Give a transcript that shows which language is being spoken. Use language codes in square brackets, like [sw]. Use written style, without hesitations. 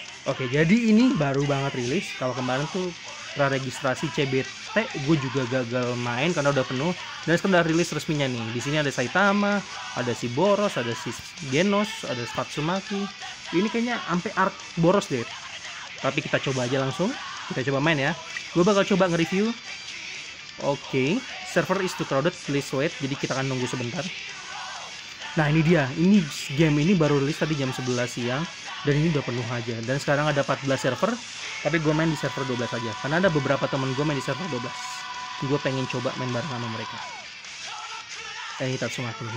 [id] Oke, jadi ini baru banget rilis. Kalau kemarin tuh pra-registrasi CBT gue juga gagal main karena udah penuh. Dan sekarang udah rilis resminya nih. Di sini ada Saitama, ada si Boros, ada si Genos, ada Spatsumaki. Ini kayaknya sampai art Boros deh. Tapi kita coba aja langsung. Kita coba main ya. Gue bakal coba nge-review. [en] Oke, server is too crowded, please wait. [id] Jadi kita akan nunggu sebentar. Nah ini dia, ini game ini baru rilis tadi jam 11 siang dan ini udah penuh aja. Dan sekarang ada 14 server, tapi gue main di server 12 aja karena ada beberapa temen gue main di server 12. Gue pengen coba main bareng sama mereka. Eh, kita semakin.